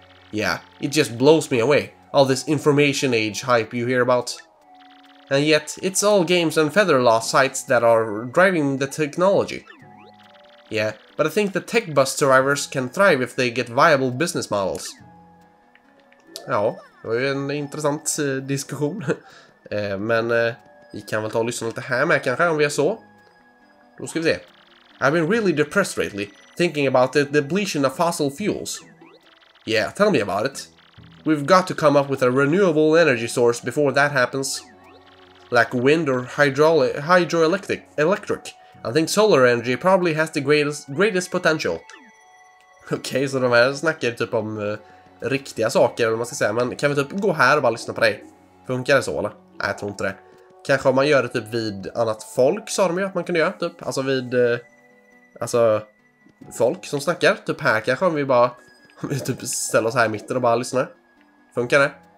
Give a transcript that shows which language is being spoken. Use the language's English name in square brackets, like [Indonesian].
[English] Yeah, it just blows me away, all this information age hype you hear about. And yet, it's all games and feather law sites that are driving the technology. Yeah, but I think the tech bus survivors can thrive if they get viable business models. [Swedish] Ja, det var ju en intressant diskussion. Men vi kan väl ta och lyssna lite här med kanske om vi är så. Då ska vi se. [English] I've been really depressed lately, thinking about the depletion of fossil fuels. Yeah, tell me about it. We've got to come up with a renewable energy source before that happens. Like wind or hydroelectric. I think solar energy probably has the greatest potential. [Swedish] Okej, så de här snackar typ om riktiga saker, eller vad man ska säga. Men kan vi typ gå här och bara lyssna på dig? Funkar det så, eller? Nej, jag tror inte det. Kanske om man gör det typ vid annat folk, sa de ju att man kunde göra. Typ, alltså vid... folk som snackar. Typ här kanske om vi bara... Om vi typ ställer oss här i mitten och bara lyssnar. Funkar det?